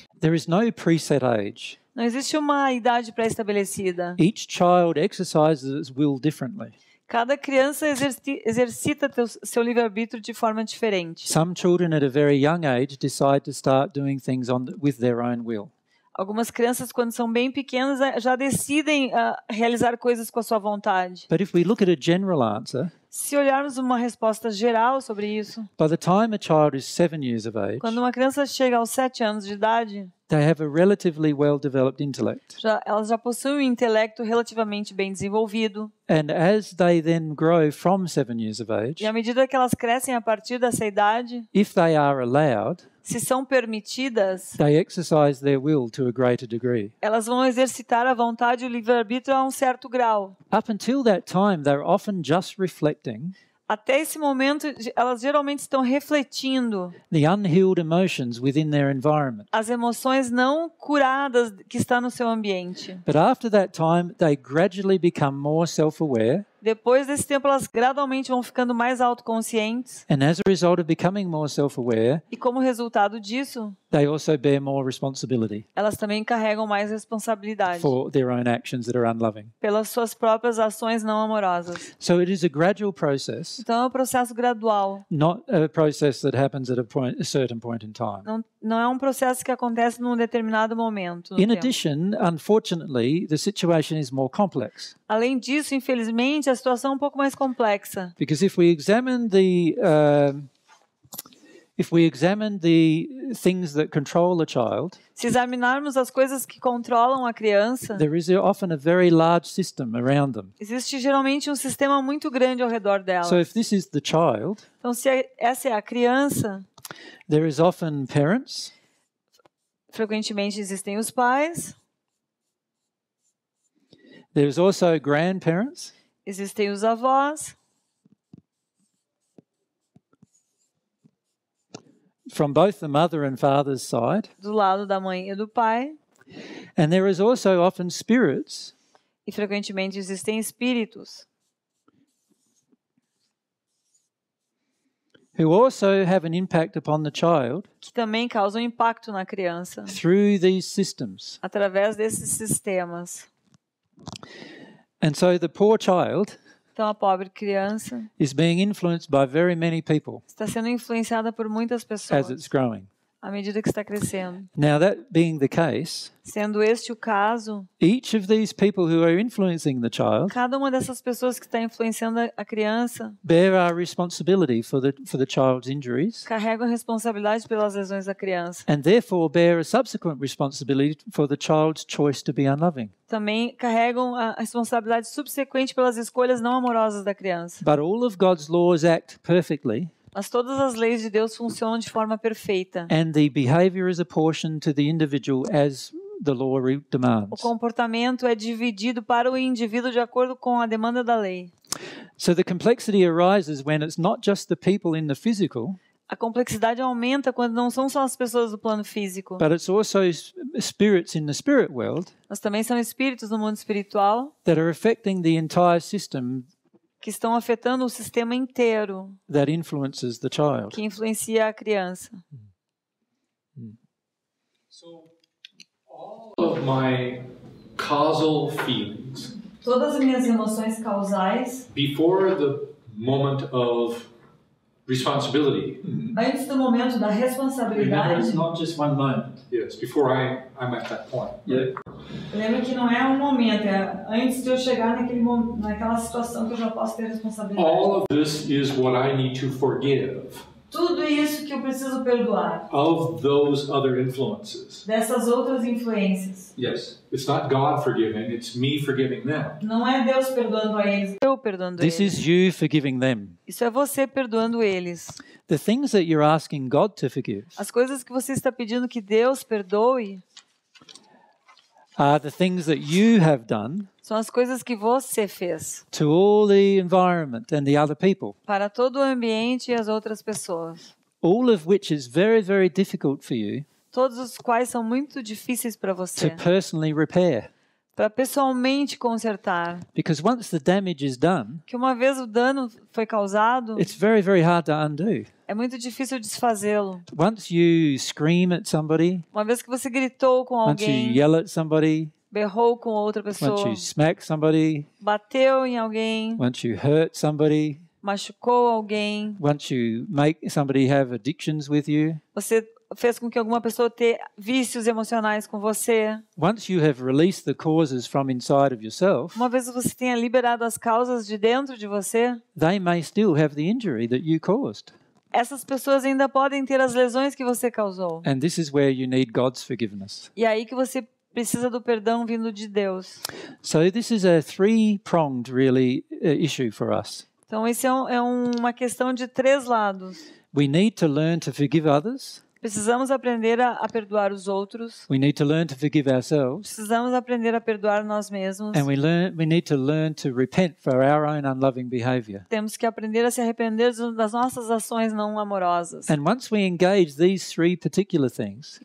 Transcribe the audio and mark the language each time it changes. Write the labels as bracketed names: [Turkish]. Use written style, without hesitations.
[English] There is no preset age. [Portuguese] Não existe uma idade pré-estabelecida. [English] Each child exercises will differently. [Portuguese] Cada criança exercita seu livre-arbítrio de forma diferente. [English] Some children at a very young age decide to start doing things with their own will. [Portuguese] Algumas crianças, quando são bem pequenas, já decidem realizar coisas com a sua vontade. [English] But if we look at a general answer, [Portuguese] se olharmos uma resposta geral sobre isso, [English] by the time a child is 7 years of age, [Portuguese] quando uma criança chega aos 7 anos de idade, [English] they have a relatively well-developed intellect. [Portuguese] Elas já possuem um intelecto relativamente bem desenvolvido. [English] And as they then grow from 7 years of age, [Portuguese] e à medida que elas crescem a partir dessa idade, [English] if they are allowed, [Portuguese] se são permitidas, [English] they exercise their will to a greater degree. [Portuguese] Elas vão exercitar a vontade e o livre-arbítrio a um certo grau. [English] Up until that time, they're often just reflecting. [Portuguese] Até esse momento, elas geralmente estão refletindo [English] the unhealed emotions within their environment. [Portuguese] As emoções não curadas que estão no seu ambiente. [English] But after that time, they gradually become more self-aware. [Portuguese] Depois desse tempo, elas gradualmente vão ficando mais autoconscientes. [English] And as a result of becoming more self-aware, [Portuguese] e como resultado disso, [English] they also bear more responsibility. [Portuguese] Elas também carregam mais responsabilidade [English] for their own actions that are unloving. [Portuguese] Pelas suas próprias ações não amorosas. [English] So it is a gradual process. [Portuguese] Então é um processo gradual. [English] Not a process that happens at a certain point in time. [Portuguese] Não é um processo que acontece num determinado momento. [English] In addition, unfortunately, the situation is more complex. [Portuguese] Além disso, infelizmente, a situação é um pouco mais complexa. [English] Because if we examine the things that control a child, [Portuguese] se examinarmos as coisas que controlam a criança, [English] there is often a very large system around them. [Portuguese] Existe geralmente um sistema muito grande ao redor dela. [English] So if this is the child, [Portuguese] então se essa é a criança, [English] there is often parents, [Portuguese] frequentemente existem os pais. [English] There is also grandparents. [Portuguese] Existem os avós. [English] From both the mother and father's side. [Portuguese] Do lado da mãe e do pai. [English] And there is also often spirits. [Portuguese] E frequentemente existem espíritos. [English] Who also have an impact upon the child. [Portuguese] Que também causam impacto na criança. [English] Through these systems. [Portuguese] Através desses sistemas. [English] And so the poor child, [Portuguese] então a pobre criança, [English] is being influenced by very many people. [Portuguese] Está sendo influenciada por muitas pessoas. [English] As it's growing. [Portuguese] À medida que está crescendo. [English] Now that being the case, [Portuguese] sendo este o caso, [English] each of these people who are influencing the child, [Portuguese] cada uma dessas pessoas que está influenciando a criança, [English] bear our responsibility for the child's injuries. [Portuguese] Carrega a responsabilidade pelas lesões da criança. [English] And therefore bear a subsequent responsibility for the child's choice to be unloving. [Portuguese] Também carregam a responsabilidade subsequente pelas escolhas não amorosas da criança. [English] But all of God's laws act perfectly. [Portuguese] Mas todas as leis de Deus funcionam de forma perfeita. [English] And the behavior is apportioned to the individual as the law demands. [Portuguese] O comportamento é dividido para o indivíduo de acordo com a demanda da lei. [English] So the complexity arises when it's not just the people in the physical. [Portuguese] A complexidade aumenta quando não são só as pessoas do plano físico. [English] But it's also spirits in the spirit world. [Portuguese] Mas também são espíritos no mundo espiritual. [English] That are affecting the entire system. [Portuguese] Que estão afetando o sistema inteiro. [English] That influences the child. [Portuguese] Que influencia a criança. [English] So, all of my causal feelings, [Portuguese] todas as minhas emoções causais, [English] before the moment of responsibility, [Portuguese] antes do momento da responsabilidade, [English] remember, it's not just one moment. Yes, before I'm at that point. Yeah. [Portuguese] Lembra que não é um momento, é antes de eu chegar naquele momento, naquela situação que eu já posso ter responsabilidade. [English] All of this is what I need to forgive. [Portuguese] Tudo isso que eu preciso perdoar. [English] Of those other influences. [Portuguese] Dessas outras influências. [English] Yes, it's not God forgiving, it's me forgiving them. [Portuguese] Não é Deus perdoando a eles, eu perdoando [English] this [Portuguese] eles. [English] This is you forgiving them. [Portuguese] Isso é você perdoando eles. [English] The things that you're asking God to forgive. [Portuguese] As coisas que você está pedindo que Deus perdoe. [English] Are the things that you have done. [Portuguese] São as coisas que você fez. [English] To all the environment and the other people. [Portuguese] Para todo o ambiente e as outras pessoas. [English] All of which is very, very difficult for you. [Portuguese] Todos os quais são muito difíceis para você. [English] To personally repair. [Portuguese] Para pessoalmente consertar. [English] Because once the damage is done. [Portuguese] Que uma vez o dano foi causado. [English] It's very, very hard to undo. [Portuguese] É muito difícil desfazê-lo. [English] Once you scream at somebody, [Portuguese] uma vez que você gritou com alguém, [English] once you yell at somebody, [Portuguese] berrou com outra pessoa, [English] once you smack somebody, [Portuguese] bateu em alguém, [English] once you hurt somebody, [Portuguese] machucou alguém, [English] once you make somebody have addictions with you, [Portuguese] você fez com que alguma pessoa tenha vícios emocionais com você, [English] once you have released the causes from inside of yourself, [Portuguese] uma vez que você tenha liberado as causas de dentro de você, [English] they may still have the injury that you caused. [Portuguese] Essas pessoas ainda podem ter as lesões que você causou. [English] And this is where you need God's forgiveness. [Portuguese] E aí que você precisa do perdão vindo de Deus. [English] So this is a three-pronged really issue for us. [Portuguese] Então isso é uma questão de três lados. [English] We need to learn to forgive others. [Portuguese] Precisamos aprender a perdoar os outros. [English] We need to learn to forgive ourselves. [Portuguese] Precisamos aprender a perdoar nós mesmos. [English] And we need to learn to repent for our own unloving behavior. [Portuguese] Temos que aprender a se arrepender das nossas ações não amorosas. [English] And once we engage these three particular things,